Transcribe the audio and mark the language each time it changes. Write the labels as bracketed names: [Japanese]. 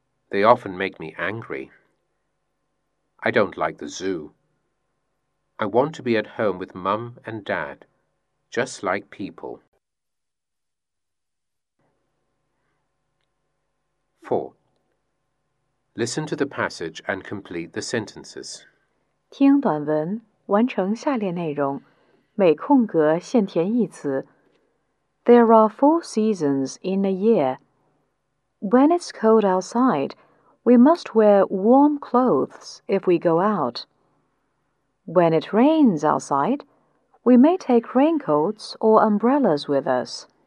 [English] They often make me angry. I don't like the zoo. I want to be at home with Mum and Dad, just like people. 4. Listen to the passage and complete the sentences. [Chinese] 听短文，完成下列内容，每空格现填一词。 [English] There are 4 seasons in a year. When it's cold outside, we must wear warm clothes if we go out. When it rains outside, we may take raincoats or umbrellas with us.